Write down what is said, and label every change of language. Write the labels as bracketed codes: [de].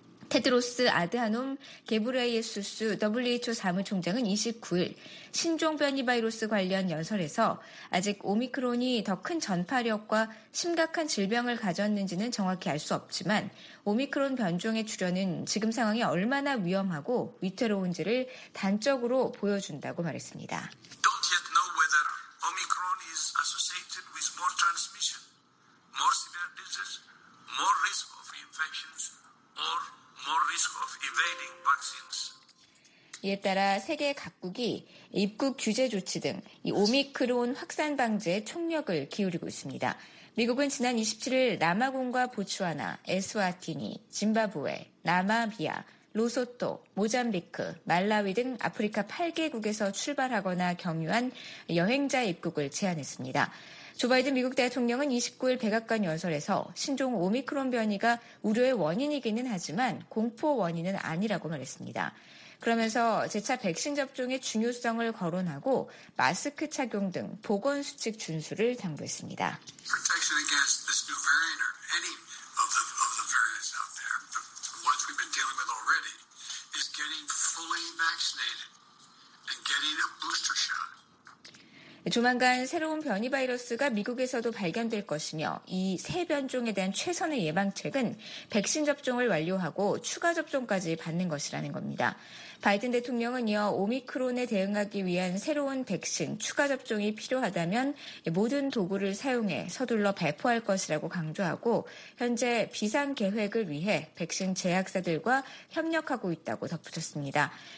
[ko] 테드로스 아드하놈 게브레예수스 WHO 사무총장은 29일 신종 변이 바이러스 관련 연설에서 아직 오미크론이 더 큰 전파력과 심각한 질병을 가졌는지는 정확히 알 수 없지만 오미크론 변종의 출현은 지금 상황이 얼마나 위험하고 위태로운지를 단적으로 보여준다고 말했습니다. [en] Don't yet know whether Omicron is associated with more transmission, more severe disease, more risk of infections, or more risk of evading vaccines. [ko] 이에 따라 세계 각국이 입국 규제 조치 등 이 오미크론 확산 방지에 총력을 기울이고 있습니다. 미국은 지난 27일 남아공과 보츠와나, 에스와티니, 짐바브웨, 나미비아, 로소토, 모잠비크, 말라위 등 아프리카 8개국에서 출발하거나 경유한 여행자 입국을 제한했습니다. 조 바이든 미국 대통령은 29일 백악관 연설에서 신종 오미크론 변이가 우려의 원인이기는 하지만 공포 원인은 아니라고 말했습니다. 그러면서 재차 백신 접종의 중요성을 거론하고 마스크 착용 등 보건 수칙 준수를 당부했습니다. [en] Protection against this new variant or any of the variants out there, the ones we've been dealing with already, is getting fully vaccinated and getting a booster shot. [ko] 조만간 새로운 변이 바이러스가 미국에서도 발견될 것이며 이 새 변종에 대한 최선의 예방책은 백신 접종을 완료하고 추가 접종까지 받는 것이라는 겁니다. 바이든 대통령은 이어 오미크론에 대응하기 위한 새로운 백신 추가 접종이 필요하다면 모든 도구를 사용해 서둘러 배포할 것이라고 강조하고 현재 비상 계획을 위해 백신 제약사들과 협력하고 있다고 덧붙였습니다.